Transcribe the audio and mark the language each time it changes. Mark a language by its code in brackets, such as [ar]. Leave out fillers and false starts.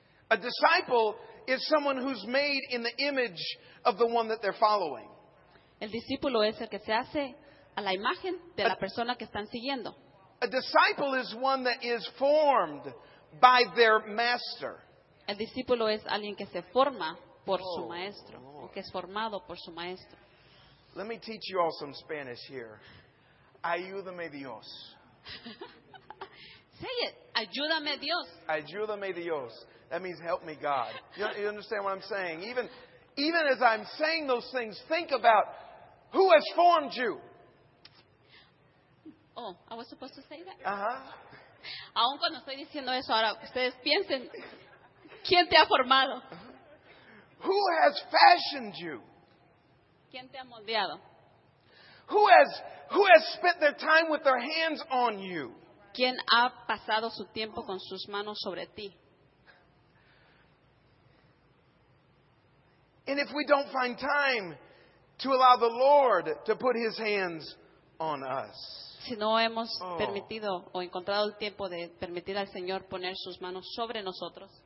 [en] A disciple is someone who's made in the image of the one that they're following. [es] El discípulo es el que se hace a la imagen de la persona que están siguiendo. [en] A disciple is one that is formed by their master. [es] El discípulo es alguien que se forma por su maestro, o que es formado por su maestro. [en] Let me teach you all some Spanish here. [es] Ayúdame Dios. [en] Say it. [es] Ayúdame Dios. Ayúdame Dios. [en] That means help me God. You understand what I'm saying? Even as I'm saying those things, think about who has formed you. Oh, I was supposed to say that? Uh-huh. [es] Aun cuando estoy diciendo eso, ahora ustedes piensen, ¿quién te ha formado? [en] Who has fashioned you? [es] ¿Quién te ha moldeado? [en] Who has spent their time with their hands on you? [es] ¿Quién ha pasado su tiempo con sus manos sobre ti? [en] And if we don't find time to allow the Lord to put His hands on us, [es] si no hemos permitido o encontrado el tiempo de permitir al Señor poner sus manos sobre nosotros,